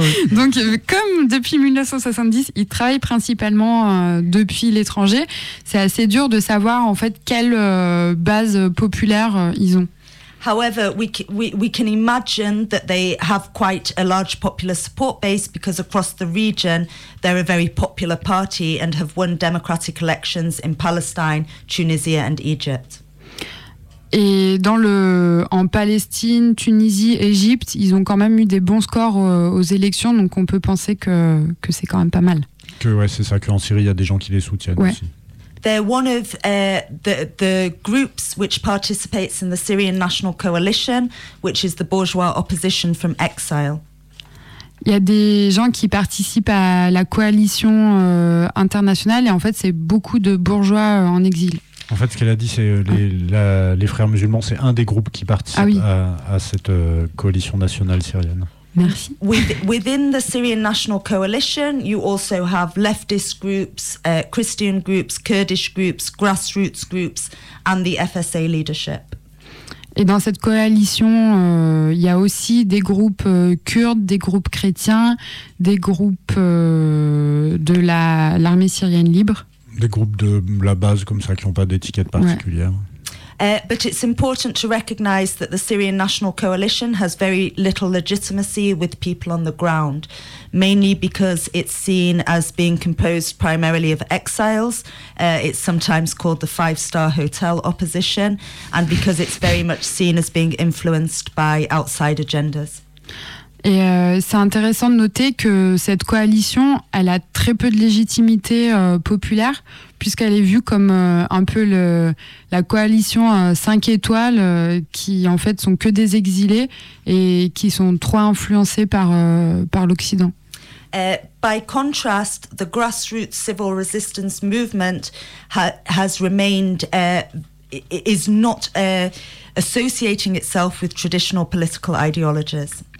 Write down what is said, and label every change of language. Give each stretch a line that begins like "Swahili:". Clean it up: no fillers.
French: Donc, comme depuis 1970, ils travaillent principalement depuis l'étranger, c'est assez dur de savoir en fait quelle base populaire ils ont.
English: However, we can imagine that they have quite a large popular support base because across the region they're a very popular party and have won democratic elections in Palestine, Tunisia and Egypt.
French: Et dans en Palestine, Tunisie, Égypte, ils ont quand même eu des bons scores aux élections, donc on peut penser que c'est quand même pas mal. Que ouais, c'est ça, qu'en Syrie, il y a des gens qui les soutiennent aussi.
English: They're one of the groups which participates in the Syrian National Coalition, which is the bourgeois opposition from exile.
French: Il y a des gens qui participent à la coalition internationale, et en fait, c'est beaucoup de bourgeois en exil. En fait, ce qu'elle a dit, c'est les frères musulmans, c'est un des groupes qui participe à cette coalition nationale syrienne. Merci.
English: Within the Syrian National Coalition, you also have leftist groups, Christian groups, Kurdish groups, grassroots groups, and the FSA leadership.
French: Et dans cette coalition, il y a aussi des groupes kurdes, des groupes chrétiens, des groupes de l'armée syrienne libre. Des groupes de la base comme ça qui n'ont pas d'étiquette particulière. Ouais.
English: But it's important to recognize that the Syrian National Coalition has very little legitimacy with people on the ground, mainly because it's seen as being composed primarily of exiles. It's sometimes called the five-star hotel opposition, and because it's very much seen as being influenced by outside agendas.
French: Et c'est intéressant de noter que cette coalition, elle a très peu de légitimité populaire, puisqu'elle est vue comme un peu la coalition 5 étoiles, qui en fait sont que des exilés et qui sont trop influencés par l'Occident.
English: By contrast, the grassroots civil resistance movement has remained is not associating itself with traditional political ideologies.